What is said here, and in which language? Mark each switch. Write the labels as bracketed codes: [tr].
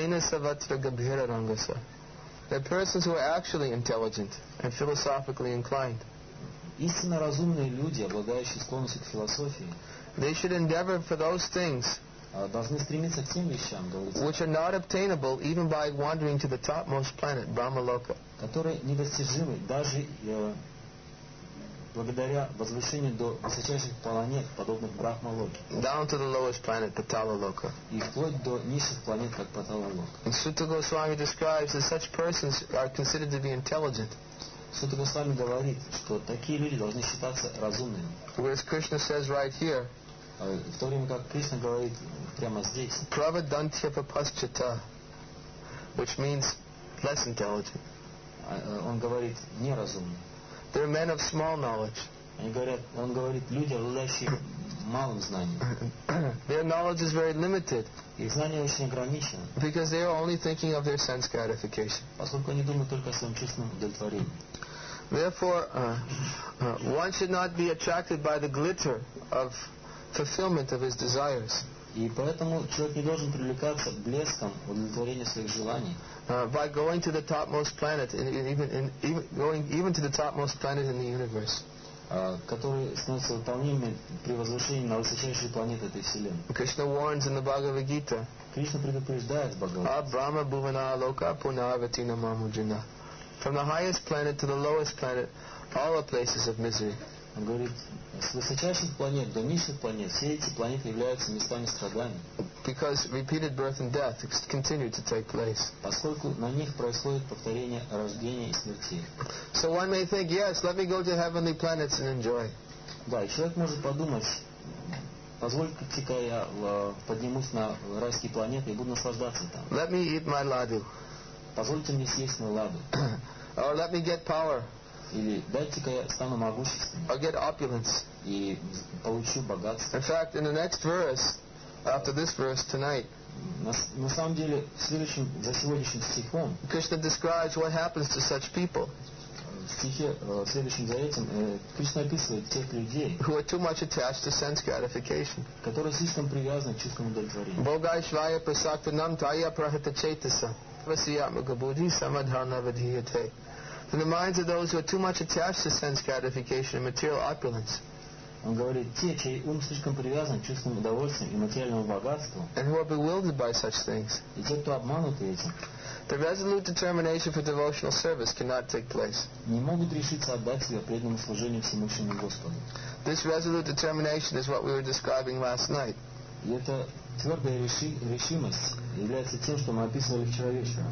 [en] They're persons who are actually intelligent and philosophically inclined. [ru] Истинно разумные люди, обладающие склонностью к философии, [en] they should endeavor for those things [ru] должны стремиться к тем вещам, говорится, [en] which are not obtainable even by wandering to the topmost planet, Brahmaloka. [ru] Которые недостижимы даже благодаря возвышению до высочайших планет, подобных Брахмалоке. [en] Down to the lowest planet, Паталалока. [ru] И вплоть до низших планет, как Паталалока. [en] And Sutta Goswami describes that such persons are considered to be intelligent. [ru] Sutta Goswami говорит, что такие люди должны считаться разумными. [en] Whereas Krishna says right here, [ru] в то время как Кришна говорит прямо здесь, [sa] Pravadantya Papaschita, [en] which means less intelligent. [ru] Он говорит неразумно. [en] They're men of small knowledge. [ru] Он говорит люди, обладающие малым знанием. [en] Their knowledge is very limited. [ru] Их знание очень ограничено. [en] Because they are only thinking of their sense gratification. [ru] Поскольку они думают только о своем чувственном удовлетворении. [en] Therefore, one should not be attracted by the glitter of fulfillment of his desires. [ru] И поэтому человек не должен привлекаться блеском удовлетворения своих желаний. [en] By going to the topmost planet, even to the topmost planet in the universe, [ru] который становится выполнимым при возвышении на высочайшие планеты этой вселенной. [en] Krishna warns in the Bhagavad Gita. [ru] Кришна предупреждает в Бхагавадгите. [sa] Абрама бувана лока пунавитина мамуджина. [en] From the highest planet to the lowest planet, all are places of misery. [ru] Он говорит, с высочайших планет до низших планет, все эти планеты являются местами страданий. [en] Because repeated birth and death continue to take place. [ru] Поскольку на них происходит повторение рождения и смерти. [en] So one may think, yes, let me go to heavenly planets and enjoy. [ru] Да, человек может подумать, позволь-ка я поднимусь на райские планеты и буду наслаждаться там. [en] Let me eat my ladu. [ru] Позвольте мне съесть мою ладу. [en] Or let me get power. [ru] Или дайте-ка я стану могущественным. [en] I get opulence. [ru] И получу богатство. [en] In fact, in the next verse, after this verse tonight, [ru] на самом деле, в следующем, за сегодняшним стихом, [en] Krishna describes what happens to such people. [ru] В стихе, следующем за этим, Кришна описывает тех людей, [en] who are too much attached to sense gratification. [ru] Которые слишком привязаны к чувствам удовлетворения. [sa] Богай швая пасакта нам тая прахата чейтаса. Васия магабуди самадхана вадхиятэй. [en] than the minds of those who are too much attached to sense gratification and material opulence. [ru] Он говорит, те, чей ум слишком привязан к чувственным удовольствиям и материальному богатству, [en] and who are bewildered by such things, [ru] и те, кто обмануты этим, [en] the resolute determination for devotional service cannot take place. [ru] Не могут решиться отдать себя преданному служению всемогущему Господу. [en] This resolute determination is what we were describing last night. [ru] И эта твердая решимость является тем, что мы описывали вчера вечером.